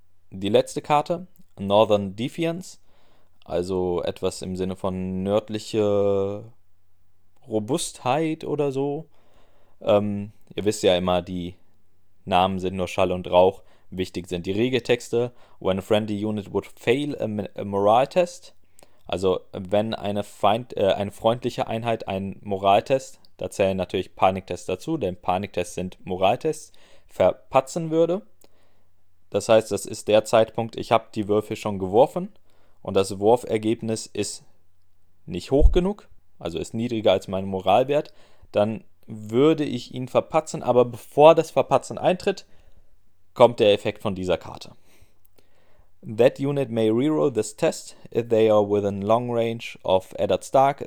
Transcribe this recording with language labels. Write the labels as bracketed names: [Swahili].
[German] Die letzte Karte, Northern Defiance, also etwas im Sinne von nördliche Robustheit oder so. Ihr wisst ja immer, die Namen sind nur Schall und Rauch. Wichtig sind die Regeltexte. [English] When a friendly unit would fail a morale test. [German] Also wenn eine freundliche Einheit einen Moraltest, da zählen natürlich Paniktests dazu, denn Paniktests sind Moraltests, verpatzen würde. Das heißt, das ist der Zeitpunkt, ich habe die Würfel schon geworfen und das Wurfergebnis ist nicht hoch genug, also ist niedriger als mein Moralwert, dann würde ich ihn verpatzen, aber bevor das Verpatzen eintritt, kommt der Effekt von dieser Karte. [English] That unit may reroll this test if they are within long range of Eddard Stark.